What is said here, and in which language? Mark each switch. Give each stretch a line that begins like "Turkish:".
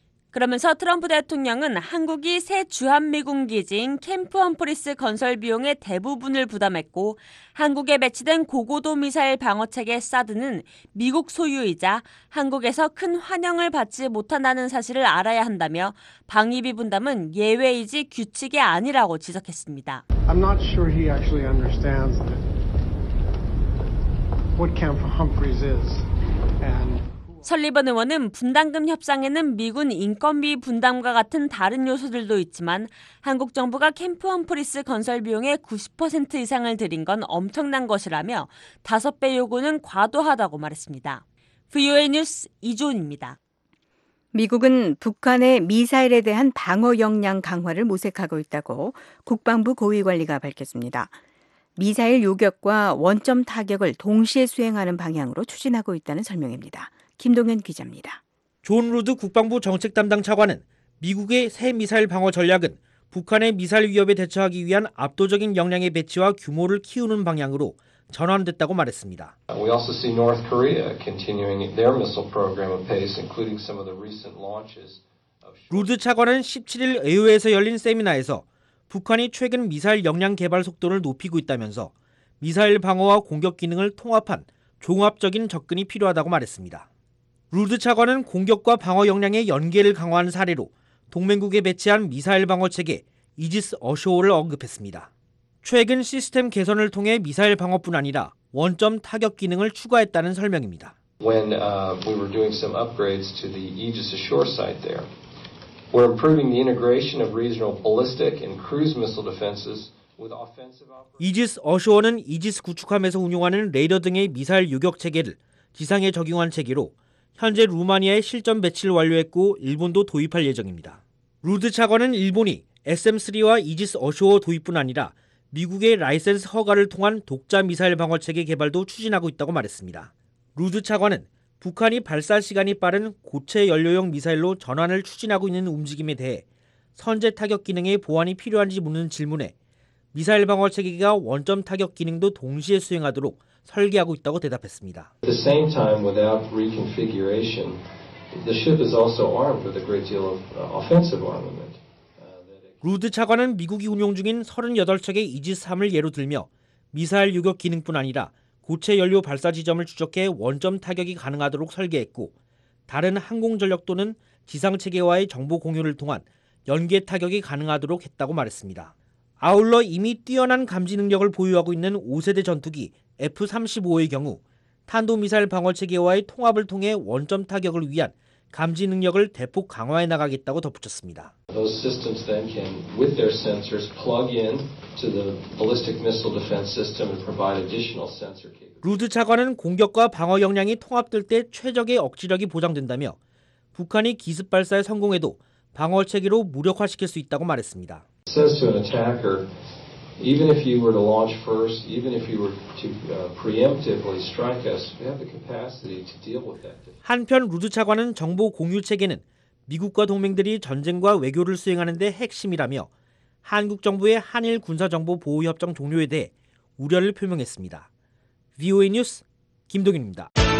Korean: 그러면서 트럼프 대통령은 한국이 새 주한미군 기지인 캠프 험프리스 건설 비용의 대부분을 부담했고 한국에 배치된 고고도 미사일 방어체계 사드는 미국 소유이자 한국에서 큰 환영을 받지 못한다는 사실을 알아야 한다며 방위비 분담은 예외이지 규칙이 아니라고 지적했습니다.
English: I'm not sure he actually understands what Camp Humphreys is and
Korean: 설리번 의원은 분담금 협상에는 미군 인건비 분담과 같은 다른 요소들도 있지만 한국 정부가 캠프 험프리스 건설 비용의 90% 이상을 들인 건 엄청난 것이라며 5배 요구는 과도하다고 말했습니다. VOA 뉴스 이조은입니다. 미국은 북한의 미사일에 대한 방어 역량 강화를 모색하고 있다고 국방부 고위관리가 밝혔습니다. 미사일 요격과 원점 타격을 동시에 수행하는 방향으로 추진하고 있다는 설명입니다. 김동현 기자입니다. 존 루드 국방부 정책 담당 차관은 미국의 새 미사일 방어 전략은 북한의 미사일 위협에 대처하기 위한 압도적인 역량의 배치와 규모를 키우는 방향으로 전환됐다고 말했습니다.
English: We also see North Korea continuing their missile program at pace, including some of the recent launches.
Korean: 루드 차관은 17일 의회에서 열린 세미나에서 북한이 최근 미사일 역량 개발 속도를 높이고 있다면서 미사일 방어와 공격 기능을 통합한 종합적인 접근이 필요하다고 말했습니다. 루드 차관은 공격과 방어 역량의 연계를 강화하는 사례로 동맹국에 배치한 미사일 방어 체계 이지스 어쇼어를 언급했습니다. 최근 시스템 개선을 통해 미사일 방어뿐 아니라 원점 타격 기능을 추가했다는 설명입니다.
English: When we were doing some upgrades to the Aegis Ashore site there. We're improving the integration of regional ballistic and cruise missile defenses.
Korean: 이지스 어쇼어는 이지스 구축함에서 운용하는 레이더 등의 미사일 요격 체계를 지상에 적용한 체계로 현재 루마니아에 실전 배치를 완료했고 일본도 도입할 예정입니다. 루드 차관은 일본이 SM-3와 이지스 어쇼어 도입뿐 아니라 미국의 라이센스 허가를 통한 독자 미사일 방어 체계 개발도 추진하고 있다고 말했습니다. 루드 차관은 북한이 발사 시간이 빠른 고체 연료용 미사일로 전환을 추진하고 있는 움직임에 대해 선제 타격 기능의 보완이 필요한지 묻는 질문에 미사일 방어 체계가 원점 타격 기능도 동시에 수행하도록 설계하고 있다고 대답했습니다.
English: At the same time, without reconfiguration, the ship is also armed with a great deal of offensive armament.
Korean: 루드 차관은 미국이 운용 중인 38척의 이지스함을 예로 들며 미사일 요격 기능뿐 아니라 고체 연료 발사 지점을 추적해 원점 타격이 가능하도록 설계했고 다른 항공 전력 또는 지상 체계와의 정보 공유를 통한 연계 타격이 가능하도록 했다고 말했습니다. 아울러 이미 뛰어난 감지 능력을 보유하고 있는 5세대 전투기 F-35의 경우 탄도미사일 방어체계와의 통합을 통해 원점 타격을 위한 감지 능력을 대폭 강화해 나가겠다고 덧붙였습니다.
English: Those systems then can, with their sensors, plug in to the ballistic missile defense system and provide additional sensor capability.
Korean: 루드 차관은 공격과 방어 역량이 통합될 때 최적의 억지력이 보장된다며 북한이 기습 발사에 성공해도 방어체계로 무력화시킬 수 있다고 말했습니다.
English: Says to an attacker, even if you were to launch first, even if you were to preemptively strike us, we have the capacity to deal with that.
Korean: 한편 루드 차관은 정보 공유 체계는 미국과 동맹들이 전쟁과 외교를 수행하는 데 핵심이라며 한국 정부의 한일 군사 정보 보호 협정 종료에 대해 우려를 표명했습니다. VOA 뉴스 김동윤입니다.